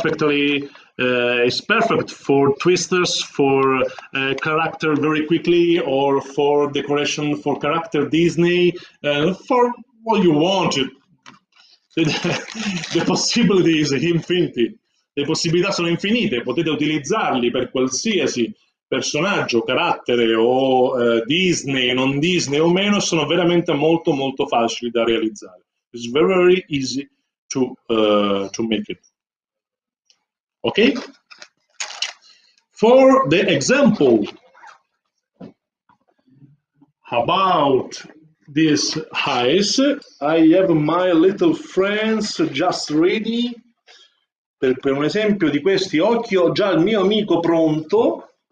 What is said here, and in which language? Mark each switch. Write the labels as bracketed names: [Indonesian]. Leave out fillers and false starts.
[English] It's perfect for twisters, for character very quickly, or for decoration for character Disney, for what you want. The possibility is infinity. [Italian] Le possibilità sono infinite, potete utilizzarli per qualsiasi personaggio, carattere o Disney, non Disney o meno, sono veramente molto molto facili da realizzare. [English] It's very, very easy to make it. Ok? For the example, about this eyes, I have my little friends just ready. [Italian] Per un esempio di questi occhi ho già il mio amico pronto.